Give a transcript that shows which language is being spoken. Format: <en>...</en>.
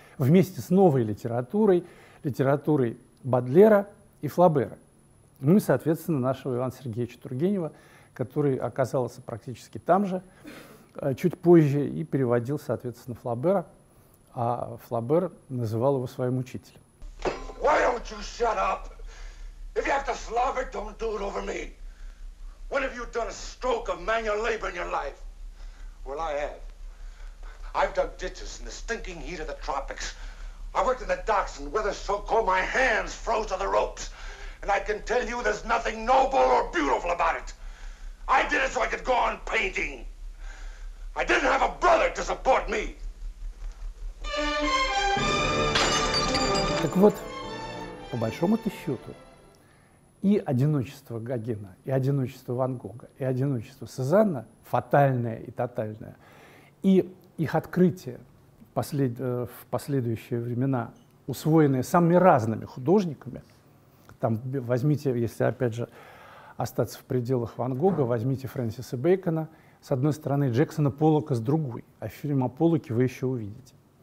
<ru>Вместе с новой литературой, литературой Бодлера и Флобера. Ну и, соответственно, нашего Ивана Сергеевича Тургенева, который оказался практически там же, чуть позже, и переводил, соответственно, Флобера, а Флобер называл его своим учителем.</ru> <en>Why don't you shut up? If you have to slob it, don't do it over me. When have you done a stroke of manual labor in your life? Well, I have. I've dug ditches in the stinking heat of the tropics. I worked in the docks and weather so cold my hands froze to the ropes. And I can tell you there's nothing noble or beautiful about it. I did it so I could go on painting. I didn't have a brother to support me.</en> <ru>Так вот, по большому-то счету, и одиночество Гогена, и одиночество Ван Гога, и одиночество Сезанна, фатальное и тотальное, и их открытие в последующие времена, усвоенные самыми разными художниками, там возьмите, если опять же остаться в пределах Ван Гога, возьмите Фрэнсиса Бэкона с одной стороны, Джексона Поллока с другой, а фильм о Поллоке вы еще увидите.</ru>